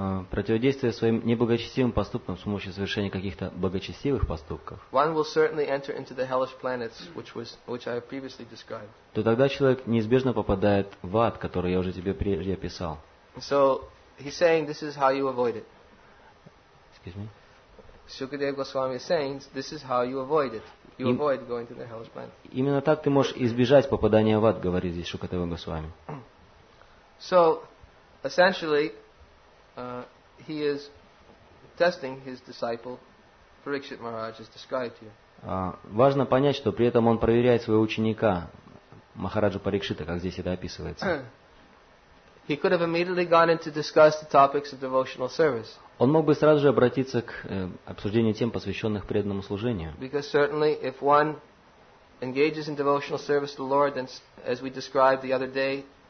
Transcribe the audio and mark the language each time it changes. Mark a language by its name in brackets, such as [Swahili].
[Russian] противодействуя своим неблагочестивым поступкам с помощью совершения каких-то благочестивых поступков, [English] one will certainly enter into the hellish planets, which I have previously described. [Russian] То тогда человек неизбежно попадает в ад, который я уже тебе прежде описал. [English] So he's saying this is how you avoid it. Excuse me. Shukadeva Goswami is saying this is how you avoid it. You avoid going to the hellish planet. [Russian] Именно так ты можешь избежать попадания в ад, говорит здесь Шукадева Госвами. [English] So essentially, he is testing his disciple Parikshit Maharaj as described here. [Russian] Важно понять, что при этом он проверяет своего ученика Махараджу Парикшита, как здесь это описывается. [English] He could have immediately gone into discuss the topics of devotional service. [Russian] Он мог бы сразу же обратиться к обсуждению тем, посвященных преданному служению. [English] Because certainly if one engages in devotional service to the Lord, then as we described the other day,